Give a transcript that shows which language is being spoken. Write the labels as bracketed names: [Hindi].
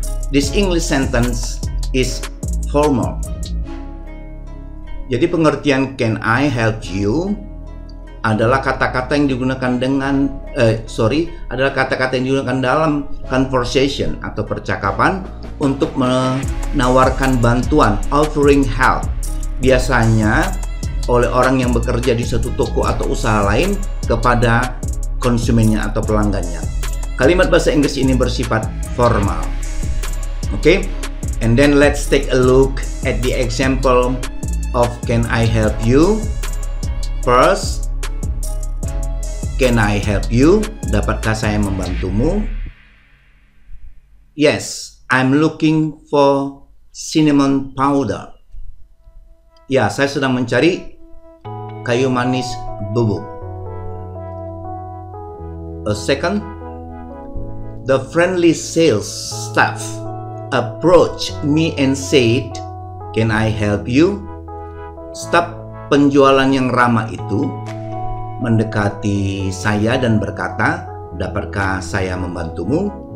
[English] This English sentence is formal. [Indonesian] Jadi pengertian can I help you adalah kata-kata yang digunakan dengan adalah kata-kata yang digunakan dalam conversation atau percakapan untuk menawarkan bantuan, offering help. Biasanya oleh orang yang bekerja di satu toko atau usaha lain kepada konsumennya atau pelanggannya. Kalimat bahasa Inggris ini bersifat formal. [English] Okay, and then let's take a look at the example of can I help you. First, can I help you? [Indonesian] Dapatkah saya membantumu? [English] Yes, I'm looking for cinnamon powder. [Indonesian] Ya, saya sedang mencari kayu manis bubuk. [English] A second, the friendly sales staff approached me and said, "Can I help you?" [Indonesian] Staff penjualan yang ramah itu mendekati saya dan berkata, "Dapatkah saya membantumu?"